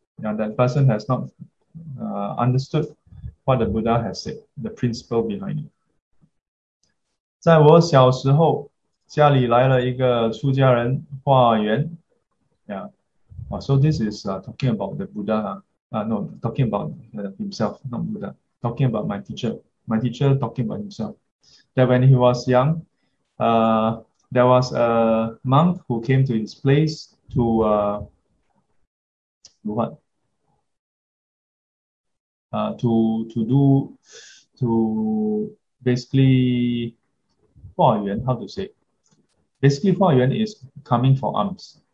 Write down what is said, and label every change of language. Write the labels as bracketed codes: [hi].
[en] Yeah, that person has not understood what the Buddha has said, the principle behind it. [zh] 在我小时候, 家里来了一个出家人, 化缘. [en] Yeah. Oh, so this is talking about the Buddha. No, talking about himself, not Buddha. Talking about my teacher. My teacher talking about himself. That when he was young, there was a monk who came to his place to basically 化缘 is coming for alms.